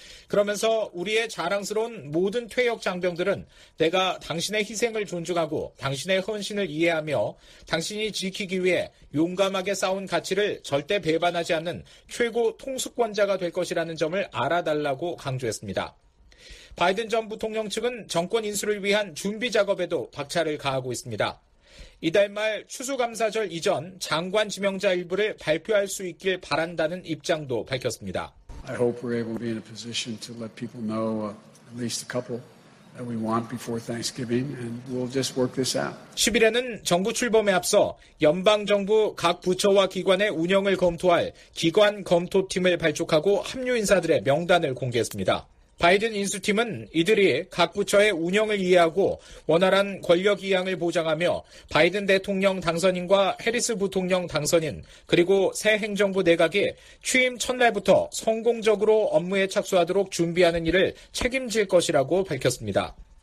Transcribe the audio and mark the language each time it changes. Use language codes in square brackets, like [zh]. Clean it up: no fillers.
[ko] 그러면서 우리의 자랑스러운 모든 퇴역 장병들은 내가 당신의 희생을 존중하고 당신의 헌신을 이해하며 당신이 지키기 위해 용감하게 싸운 가치를 절대 배반하지 않는 최고 통수권자가 될 것이라는 점을 알아달라고 강조했습니다. 바이든 전 부통령 측은 정권 인수를 위한 준비 작업에도 박차를 가하고 있습니다. 이달 말 추수감사절 이전 장관 지명자 일부를 발표할 수 있길 바란다는 입장도 밝혔습니다. [en] I hope we're able to be in a position to let people know at least a couple that we want before Thanksgiving, and we'll just work this out. [ko] 11일에는 정부 출범에 앞서 연방 정부 각 부처와 기관의 운영을 검토할 기관 검토팀을 발족하고 합류 인사들의 명단을 공개했습니다. 바이든 인수팀은 이들이 각 부처의 운영을 이해하고 원활한 권력 이양을 보장하며 바이든 대통령 당선인과 해리스 부통령 당선인 그리고 새 행정부 내각이 취임 첫날부터 성공적으로 업무에 착수하도록 준비하는 일을 책임질 것이라고 밝혔습니다.